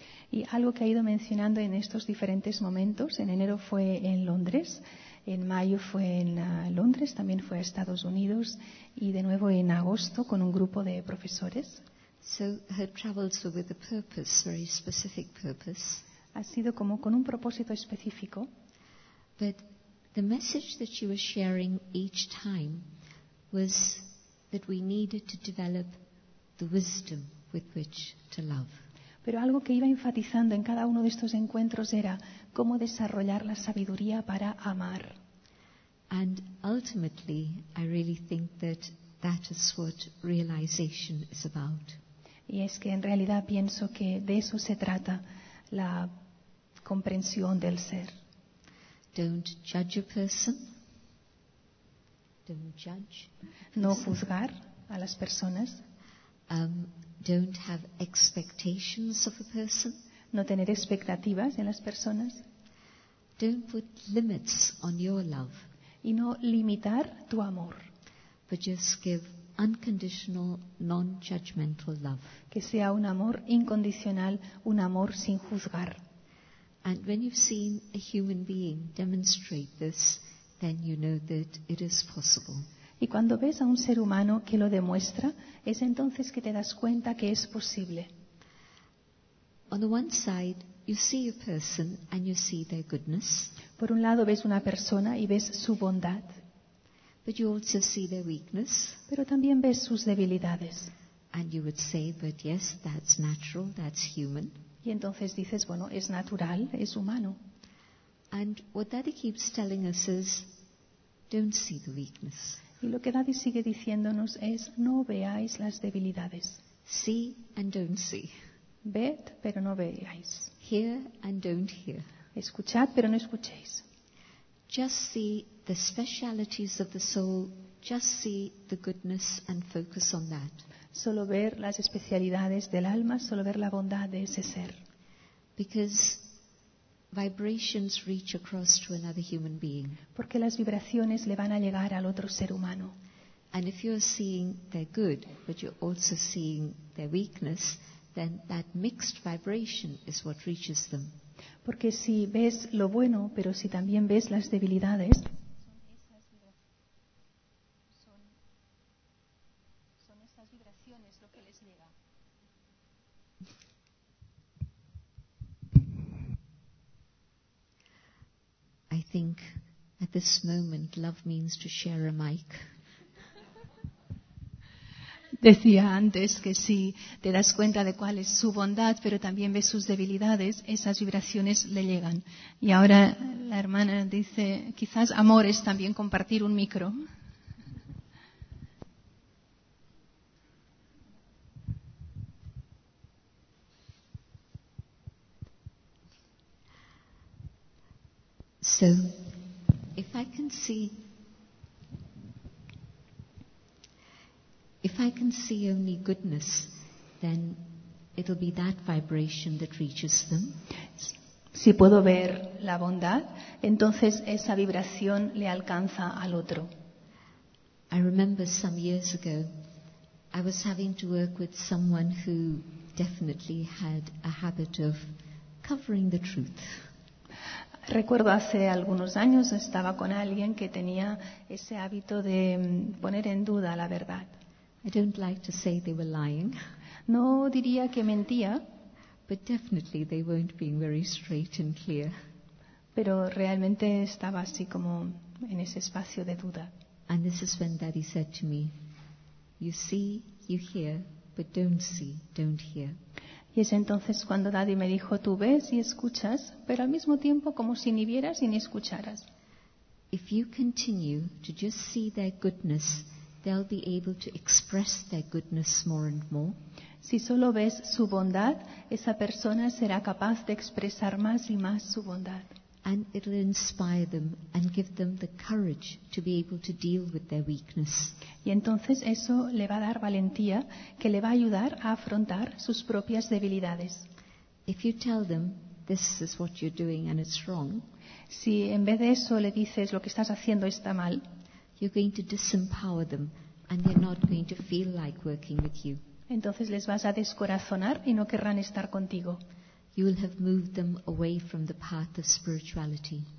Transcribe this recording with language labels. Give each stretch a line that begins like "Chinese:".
Spanish: Y algo que ha ido mencionando en estos diferentes momentos, en enero fue en Londres, en mayo fue en Londres, también fue a Estados Unidos y de nuevo en agosto con un grupo de profesores.
English: So her travels were with a purpose, very specific purpose.
Spanish: Ha sido como con un propósito específico.
English: But the message that she was sharing each time was that we needed to develop the wisdom with which to love.
Spanish: Pero algo que iba enfatizando en cada uno de estos encuentros era cómo desarrollar la sabiduría para amar.
English: And ultimately, I really think that that is what realization is about.
Spanish: Y es que en realidad pienso que de eso se trata, la comprensión del ser.
English: Don't judge a person. Don't judge.
Spanish: No juzgar a las personas.
English: Don't have expectations of a person.
Spanish: No tener expectativas en las personas.
English: Don't put limits on your love.
Spanish: Y no limitar tu amor.
English: But just give unconditional, non-judgmental love.
Spanish: Que sea un amor incondicional, un amor sin juzgar.
English: And when you've seen a human being demonstrate this, then you know that it is possible.
Spanish: Y cuando ves a un ser humano que lo demuestra, es entonces que te das cuenta que es posible.
English: On the one side, you see a person and you see their goodness.
Spanish: Por un lado ves una persona y ves su bondad.
English: But you also see their weakness.
Spanish: Pero también ves sus debilidades.
English: And you would say, but yes, that's natural, that's human.
Spanish: Y entonces dices, bueno, es natural, es humano.
English: And what Daddy keeps telling us is, don't see the weakness.
Spanish: Y lo que Daddy sigue diciéndonos es, no veáis las debilidades.
English: See and don't see.
Spanish: Ved, pero no veáis.
English: Hear and don't hear.
Spanish: Escuchad, pero no escuchéis.
English: Just see the specialities of the soul. Just see the goodness and focus on that.
Spanish: solo ver las especialidades del alma, solo ver la bondad de ese ser.
English: Because vibrations reach across to another human being.
Spanish: Porque las vibraciones le van a llegar al otro ser humano.
English: And if you're seeing their good, but you're also seeing their weakness, then that mixed vibration is what reaches them.
Spanish: Porque si ves lo bueno, pero si también ves las debilidades, son esas vibraciones lo que les llega.
English: I think at this moment love means to share a mic.
Spanish: Decía antes que si te das cuenta de cuál es su bondad, pero también ves sus debilidades, esas vibraciones le llegan. Y ahora la hermana dice, quizás amor es también compartir un micro.
English: So, if I can see. If I can see only goodness, then it'll be that vibration that reaches them.
Spanish: Si puedo ver la bondad, entonces esa vibración le alcanza al otro.
English: I remember some years ago, I was having to work with someone who definitely had a habit of covering the truth.
Spanish: Recuerdo hace algunos años estaba con alguien que tenía ese hábito de poner en duda la verdad.
English: I don't like to say they were lying.
Spanish: No diría que mentía,
English: but definitely they weren't being very straight and clear.
Spanish: Pero realmente estaba así como en ese espacio de duda.
English: And this is when Daddy said to me, "You see, you hear, but don't see, don't hear."
Spanish: Y es entonces cuando Daddy me dijo, "Tú ves y escuchas, pero al mismo tiempo como si ni vieras y ni escucharas."
English: If you continue to just see their goodness, they'll be able to express their goodness more and more.
Spanish: Si solo ves su bondad, esa persona será capaz de expresar más y más su bondad.
English: And it'll inspire them and give them the courage to be able to deal with their weakness.
Spanish: Y entonces eso le va a dar valentía que le va a ayudar a afrontar sus propias debilidades.
English: If you tell them this is what you're doing and it's wrong,
Spanish: si en vez de eso le dices lo que estás haciendo está mal,
English: you're going to disempower them and they're not going to feel like working with you.
Spanish: Entonces les vas a descorazonar y no querrán estar contigo.
English: You will have moved them away from the path of spirituality.